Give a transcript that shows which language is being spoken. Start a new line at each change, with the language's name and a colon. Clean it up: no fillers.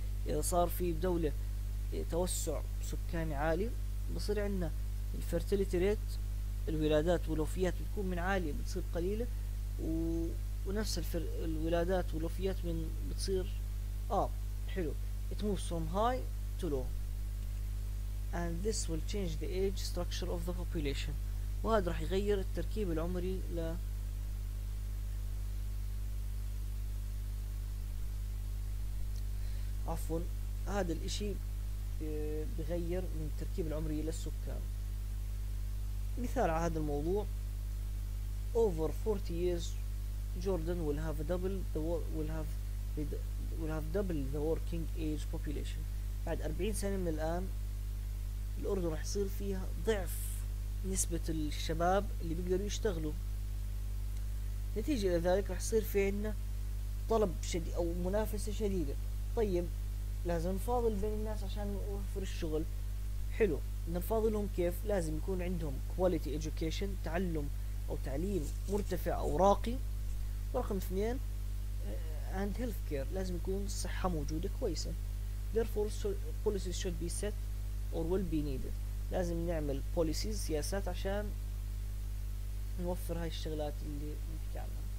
Arabic: إذا صار في دولة توسع سكاني عالي بصير عندنا الفيرتيليتي ريت، الولادات والوفيات بتكون من عالية بتصير قليلة، ونفس الولادات والوفيات من بتصير حلو.
English: it moves from high to low and this will change the age structure of the population.
Arabic: وهذا راح يغير التركيب العمري ل عفوا هذا الاشي بغير من التركيب العمري للسكان. مثال على هذا الموضوع
English: over 40 years Jordan will have double the double the working age population.
Arabic: بعد 40 سنة من الآن الأردن رح يصير فيها ضعف نسبة الشباب اللي بيقدروا يشتغلوا. نتيجة لذلك رح يصير في عنا طلب شديد أو منافسة شديدة. طيب لازم نفاضل بين الناس عشان نوفر الشغل. حلو، نفاضلهم كيف؟ لازم يكون عندهم
English: quality education،
Arabic: تعلم أو تعليم مرتفع أو راقي. رقم اثنين
English: and healthcare،
Arabic: لازم يكون الصحة موجودة كويسة.
English: Therefore policies should be set or will be needed.
Arabic: لازم نعمل policies، سياسات عشان نوفر هاي الشغلات اللي نتكلم.